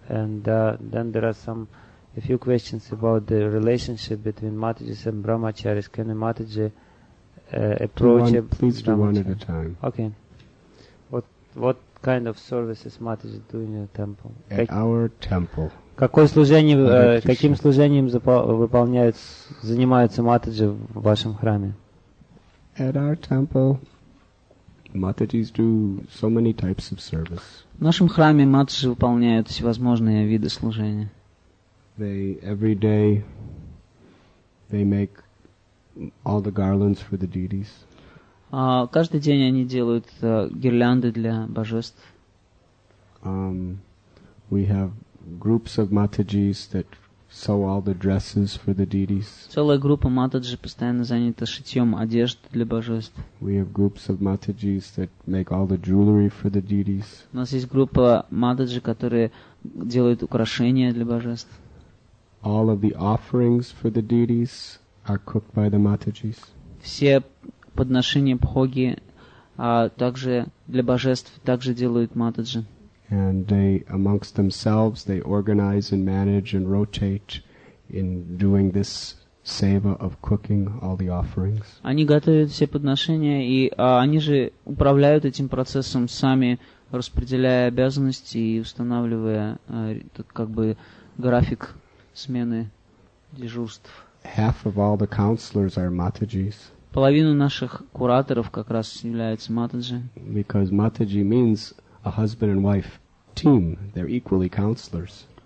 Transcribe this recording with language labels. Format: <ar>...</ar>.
<en>And then there are some a few questions about the relationship between Mataji's and Brahmacharis. Can a Mataji approach one, please do one at a time. Okay. What kind of services Mataji's do in your temple? At our temple.</en> <ru>Какое служение, каким служением выполняет, занимаются Матаджи в вашем храме?</ru> <en>At our temple, Matajis do so many types of service.</en> <ru>В нашем храме Матаджи выполняют всевозможные виды служения.</ru> <en>They every day they make all the garlands for the deities.</en> <ru>Каждый день они делают гирлянды для божеств.</ru> <en>We have groups of Matajis that sew all the dresses for the deities.</en> <ru>Целая группа Матаджи постоянно занята шитьем одежды для божеств.</ru> <en>We have groups of Matajis that make all the jewelry for the deities.</en> <ru>У нас есть группа Матаджи, которые делают украшения для божеств.</ru> <en>All of the offerings for the deities are cooked by the Matajis.</en> <ru>Все подношения бхоги, также для божеств, также делают Матаджи.</ru> <en>And they, amongst themselves, they organize and manage and rotate in doing this seva of cooking all the offerings.</en> <ru>Они готовят все подношения, и они же управляют этим процессом сами, распределяя обязанности и устанавливая как бы график смены дежурств.</ru> <en>Half of all the counselors are Matajis.</en> <ru>Половина наших кураторов как раз являются Матаджи.</ru> <en>Because Mataji means a husband and wife team, they're equally counselors.</en>